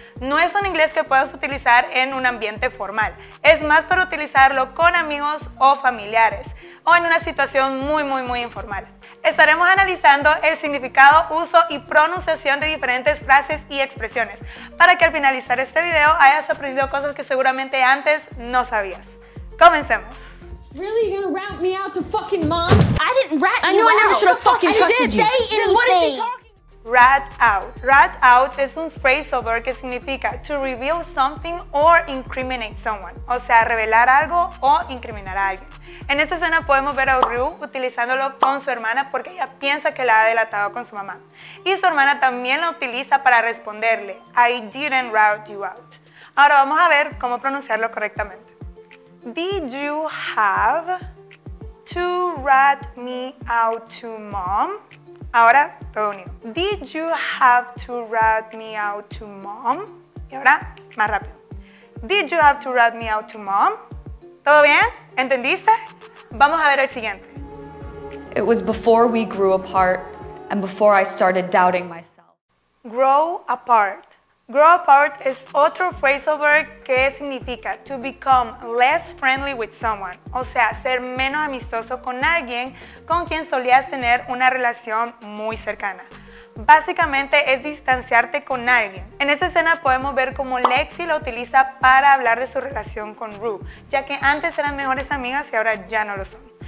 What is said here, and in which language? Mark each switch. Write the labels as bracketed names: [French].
[Spanish] No es un inglés que puedas utilizar en un ambiente formal. Es más para utilizarlo con amigos o familiares, o en una situación muy, muy, muy informal. Estaremos analizando el significado, uso y pronunciación de diferentes frases y expresiones, para que al finalizar este video hayas aprendido cosas que seguramente antes no sabías. ¡Comencemos! [English] Really, you're gonna rat me out to fucking mom? I didn't rat you out. I knew out. I never should have fucking trusted you. I didn't say anything. What is she talking? Rat out. Rat out [Spanish] es un phrasal verb que significa [English] to reveal something or incriminate someone. [Spanish] O sea, revelar algo o incriminar a alguien. En esta escena podemos ver a Rue utilizándolo con su hermana porque ella piensa que la ha delatado con su mamá. Y su hermana también lo utiliza para responderle, [English] I didn't rat you out. [Spanish] Ahora vamos a ver cómo pronunciarlo correctamente. [English] Did you have to rat me out to mom? [Spanish] Ahora todo unido. [English] Did you have to rat me out to mom? [Spanish] Y ahora más rápido. [English] Did you have to rat me out to mom? [Spanish] ¿Todo bien? ¿Entendiste? Vamos a ver el siguiente. [English] It was before we grew apart and before I started doubting myself. Grow apart. [Spanish] Grow apart es otro phrasal verb que significa [English] to become less friendly with someone, [Spanish] o sea, ser menos amistoso con alguien con quien solías tener una relación muy cercana. Básicamente es distanciarte con alguien. En esta escena podemos ver cómo Lexi lo utiliza para hablar de su relación con Rue, ya que antes eran mejores amigas y ahora ya no lo son.